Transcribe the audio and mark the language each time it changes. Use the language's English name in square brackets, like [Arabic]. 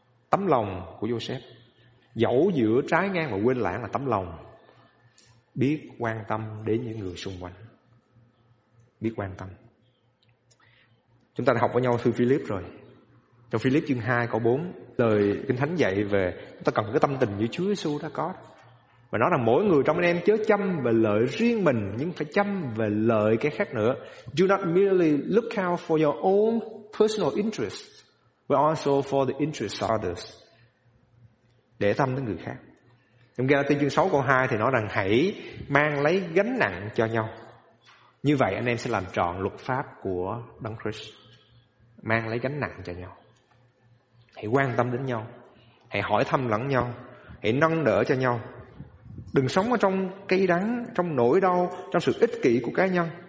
[Vietnamese] Tấm lòng của Joseph, dẫu giữa trái ngang và quên lãng là tấm lòng, biết quan tâm đến những người xung quanh. Biết quan tâm. Chúng ta đã học với nhau thư Philip rồi. Trong Philip chương 2 câu 4, lời Kinh Thánh dạy về chúng ta cần cái tâm tình như Chúa Giêsu đã có. Và nói rằng mỗi người trong anh em chớ chăm về lợi riêng mình, nhưng phải chăm về lợi cái khác nữa. [English] Do not merely look out for your own personal interests, but also for the interests of others. [Vietnamese] Để tâm đến người khác. Trong Galatia chương 6 câu 2 thì nói rằng hãy mang lấy gánh nặng cho nhau. Như vậy anh em sẽ làm trọn luật pháp của Đấng Christ. Mang lấy gánh nặng cho nhau. Hãy quan tâm đến nhau. Hãy hỏi thăm lẫn nhau. Hãy nâng đỡ cho nhau. Đừng sống ở trong cay đắng, trong nỗi đau, trong sự ích kỷ của cá nhân.